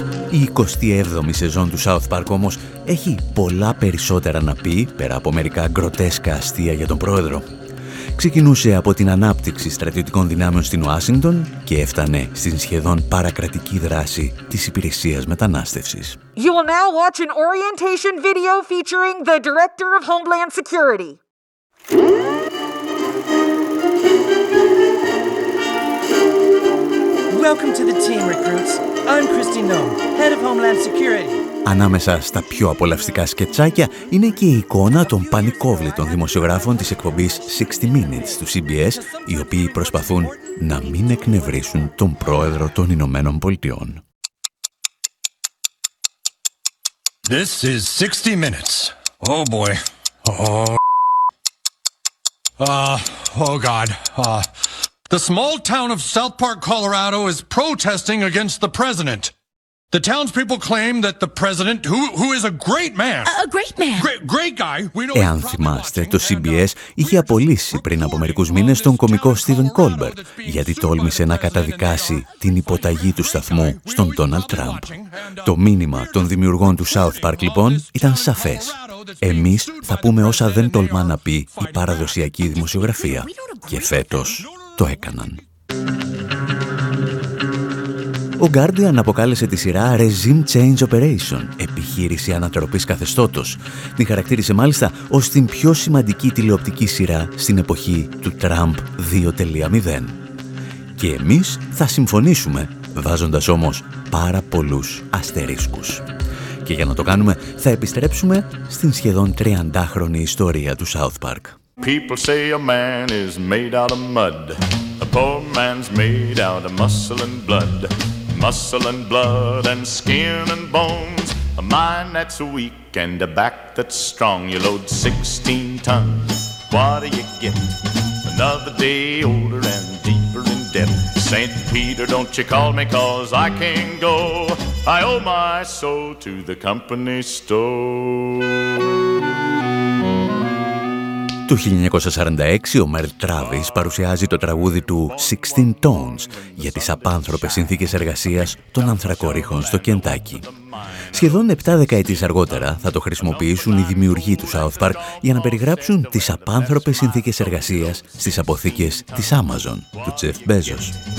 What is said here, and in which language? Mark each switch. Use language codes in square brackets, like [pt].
[el] Η 27η σεζόν του South Park όμως έχει πολλά περισσότερα να πει πέρα από μερικά γκροτέσκα αστεία για τον πρόεδρο. Ξεκινούσε από την ανάπτυξη στρατιωτικών δυνάμεων στην Ουάσιγκτον και έφτανε στην σχεδόν παρακρατική δράση της υπηρεσίας μετανάστευσης. [en] You will now watch an orientation video featuring the Director of Homeland Security. Welcome to the team, recruits. I'm Christy Noem, Head of Homeland Security. [el] Ανάμεσα στα πιο απολαυστικά σκετσάκια είναι και η εικόνα των πανικόβλητων δημοσιογράφων της εκπομπής 60 Minutes του CBS, οι οποίοι προσπαθούν να μην εκνευρίσουν τον πρόεδρο των Ηνωμένων Πολιτειών. [en] This is 60 Minutes. Oh boy. Oh God. The small town of South Park, Colorado is protesting against the president. The townspeople claim that the president, who is a great man, a great man, great guy. We know. [el] Εάν θυμάστε, το CBS είχε απολύσει πριν από μερικούς μήνες τον κωμικό Στίβεν Κόλμπερτ, γιατί τόλμησε να καταδικάσει την υποταγή του σταθμού στον Ντόναλντ Τραμπ. Το μήνυμα των δημιουργών του South Park λοιπόν ήταν σαφές. Εμείς θα πούμε όσα δεν τολμά να πει η παραδοσιακή δημοσιογραφία, και φέτος το έκαναν. Ο Guardian αποκάλεσε τη σειρά [en] Regime Change Operation, [el] επιχείρηση ανατροπής καθεστώτος. Την χαρακτήρισε μάλιστα ως την πιο σημαντική τηλεοπτική σειρά στην εποχή του Trump 2.0. Και εμείς θα συμφωνήσουμε, βάζοντας όμως πάρα πολλούς αστερίσκους. Και για να το κάνουμε, θα επιστρέψουμε στην σχεδόν 30χρονη ιστορία του South Park. [en] People say a man is made out of mud. A poor man's made out of muscle and blood. Muscle and blood and skin and bones. A mind that's weak and a back that's strong. You load 16 tons, what do you get? Another day older and deeper in debt. St. Peter, don't you call me, cause I can't go. I owe my soul to the company store. [el] Το 1946 ο Merle Travis παρουσιάζει το τραγούδι του 16 Tones για τις απάνθρωπες συνθήκες εργασίας των ανθρακορίχων στο Κεντάκι. Σχεδόν 7 δεκαετίες αργότερα θα το χρησιμοποιήσουν οι δημιουργοί του South Park για να περιγράψουν τις απάνθρωπες συνθήκες εργασίας στις αποθήκες της Amazon του Jeff Bezos.